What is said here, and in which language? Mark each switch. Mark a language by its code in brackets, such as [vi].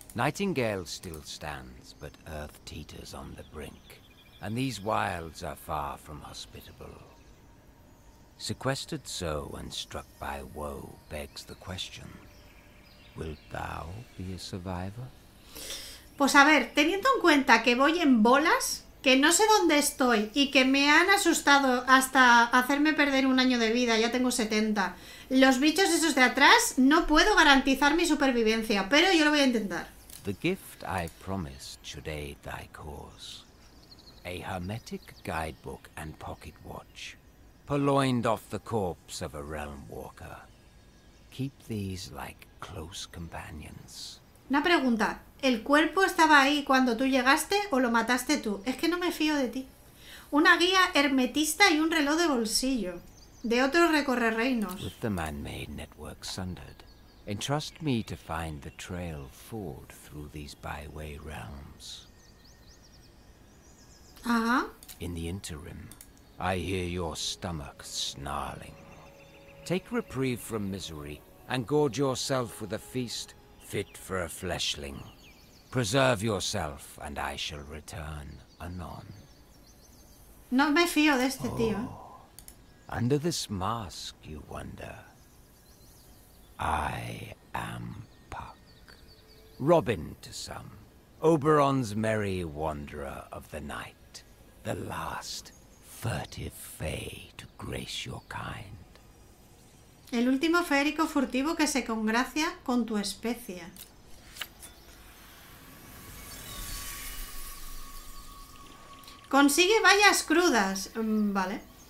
[en] Nightingale still stands, but earth teeters on the brink, and these wilds are far from hospitable. Sequestered so and struck by woe begs the question, wilt thou be a survivor? [es] Pues a ver, teniendo en cuenta que voy en bolas, que no sé dónde estoy y que me han asustado hasta hacerme perder un año de vida, ya tengo 70. Los bichos esos de atrás, no puedo garantizar mi supervivencia, pero yo lo voy a intentar. [en] The gift I promised should aid thy cause. A hermetic guidebook and pocket watch, purloined off the corpse of a realm walker. Keep these like close companions. [es] Una pregunta. ¿El cuerpo estaba ahí cuando tú llegaste o lo mataste tú? Es que no me fío de ti. Una guía hermetista y un reloj de bolsillo. De otro recorre reinos. [en] With the man-made network sundered, Entrust me to find the trail forward through these byway realms. Ajá. In the interim, I hear your stomach snarling. Take reprieve from misery and gorge yourself with a feast fit for a fleshling. Preserve yourself and I shall return anon. [es] No me fío de este tío. Oh, [en] under this mask, you wonder. I am Puck. Robin to some. Oberon's merry wanderer of the night. The last furtive fae to grace your kind. [es] El último feérico furtivo que se congracia con tu especie. Consigue bayas crudas. Vale.